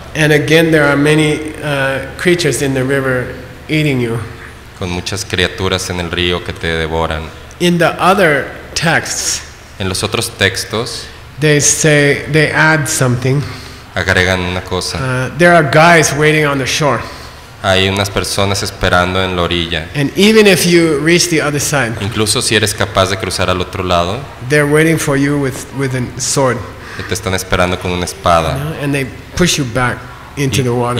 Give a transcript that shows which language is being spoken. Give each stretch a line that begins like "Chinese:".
English: And again, there are many creatures in the river eating you.
Spanish: Con muchas criaturas en el río que te devoran.
English: In the other texts.
Spanish: En los otros textos,
English: they say they add something.
Spanish: Agregan una cosa.
English: There are guys waiting on the shore.
Spanish: Hay unas personas esperando en la orilla.
English: And even if you reach the other side,
Spanish: incluso si eres capaz de cruzar al otro lado,
English: they're waiting for you with a sword.
Spanish: Te están esperando con una espada.
English: You know? And they push you back into the water.